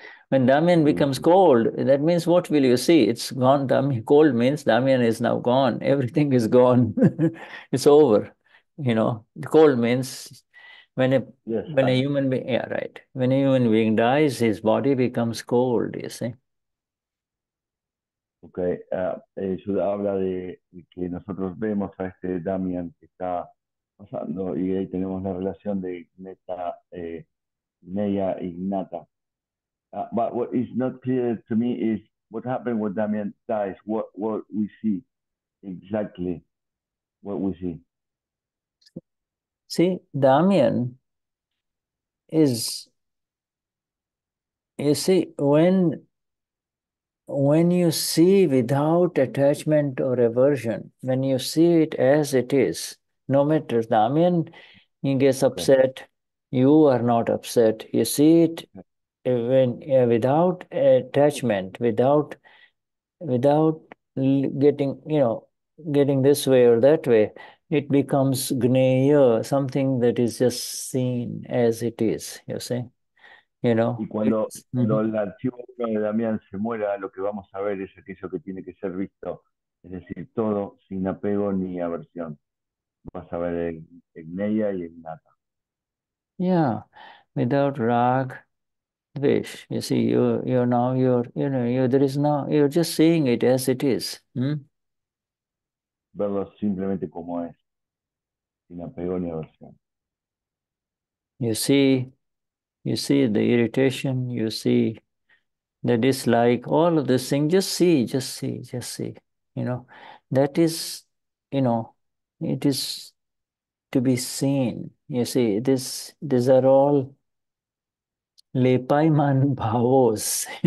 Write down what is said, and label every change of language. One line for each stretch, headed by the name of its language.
English: When Damian becomes cold, that means what will you see? It's gone. Cold means Damian is now gone. Everything is gone. It's over. You know, cold means when a human being dies, his body becomes cold, you see.
Spanish: Okay, Shuddha habla de que nosotros vemos a este Damian que está pasando, y ahí tenemos la relación de Gneta, Gneya Ignata.
English: But what is not clear to me is what happened when Damian dies, what we see exactly, what we see. See, Damian is, you see, when when you see without attachment or aversion, when you see it as it is, no matter Damian he gets upset, you are not upset. You see it when without attachment, without getting, you know, getting this way or that way, it becomes gneya, something that is just seen as it is, you see? You know,
Spanish: y cuando, cuando el archivo de Damián se muera, lo que vamos a ver es aquello que tiene que ser visto, es decir, todo sin apego ni aversión. Vas a ver el gneya y el nata.
English: Yeah, without rag, vish. You see, you're now, you know, there is now, you're just seeing it as it is.
Spanish: Verlo simplemente como es, sin apego ni aversión.
English: You see the irritation, you see the dislike, all of this thing, just see, you know. That is, you know, it is to be seen. You see, this, these are all lepaiman bhavos.